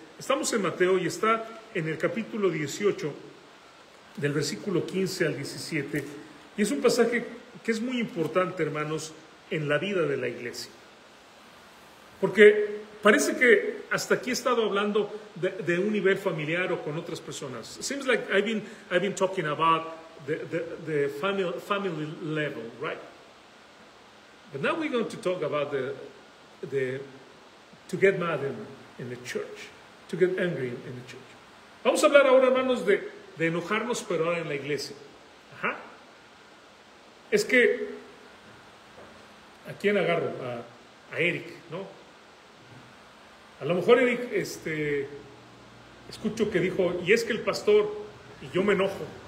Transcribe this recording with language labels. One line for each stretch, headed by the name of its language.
Spanish: Estamos en Mateo y está en el capítulo 18, del versículo 15 al 17, y es un pasaje que es muy importante, hermanos, en la vida de la iglesia. Porque parece que hasta aquí he estado hablando de un nivel familiar o con otras personas.
English: Seems like I've been talking about the family level, right? But now we're going to talk about the to get mad in the church, to get angry in the church.
Spanish: Vamos a hablar ahora, hermanos, de enojarnos, pero ahora en la iglesia. Ajá. Es que, ¿a quién agarro? A Eric, ¿no? A lo mejor Eric, escucho que dijo, y es que el pastor, y yo me enojo.